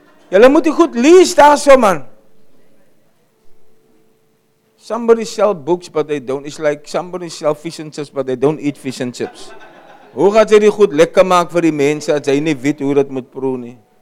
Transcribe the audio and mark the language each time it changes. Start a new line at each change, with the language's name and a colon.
Afrikaans: Jylle moet jy goed lees daar so, man.
English: Somebody sell books, but they don't. It's like somebody sell fish and chips, but they don't eat fish and chips.
Afrikaans: Hoe gaat jy die goed lekker maak vir die mense as jy nie weet hoe dit moet proe nie?